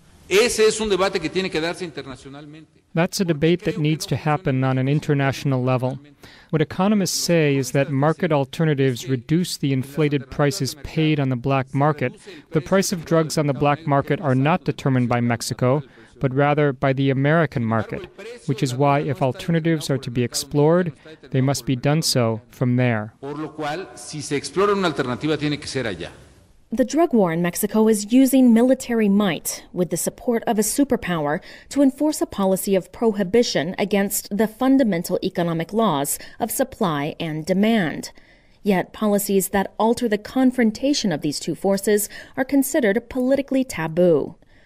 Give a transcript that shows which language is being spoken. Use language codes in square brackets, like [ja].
[es] Ese es un debate que tiene que darse internacionalmente. [en] That's a debate that needs to happen on an international level. What economists say is that market alternatives reduce the inflated prices paid on the black market. The price of drugs on the black market are not determined by Mexico, but rather by the American market, which is why if alternatives are to be explored, they must be done so from there. [es] Por lo cual, si se explora una alternativa, tiene que ser allá. [en] The drug war in Mexico is using military might, with the support of a superpower, to enforce a policy of prohibition against the fundamental economic laws of supply and demand. Yet policies that alter the confrontation of these two forces are considered politically taboo.